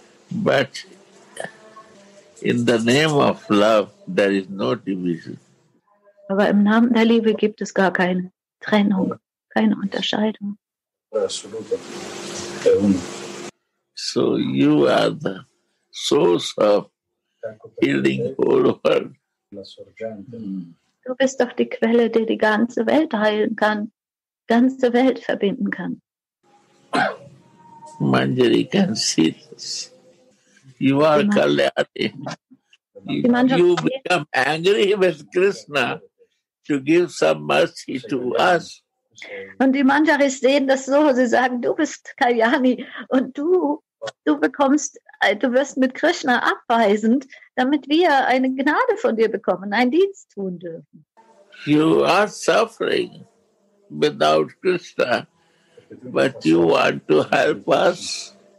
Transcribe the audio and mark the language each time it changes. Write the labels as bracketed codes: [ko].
[en] But in the name of love, there is no division. [de] Aber im Namen der Liebe gibt es gar keine Trennung, keine Unterscheidung. [en] So you are the source of healing all world. [de] Du bist doch die Quelle, die die ganze Welt heilen kann, ganze Welt verbinden kann. [en] Manjari can see this. You are Kalyani. You become angry with Krishna to give some mercy to us. [de] Und die Manjaris sehen das so, sie sagen, du bist Kalyani und du wirst mit Krishna abweisend, damit wir eine Gnade von dir bekommen, einen Dienst tun dürfen. [en] You are suffering without Krishna, but you want to help us.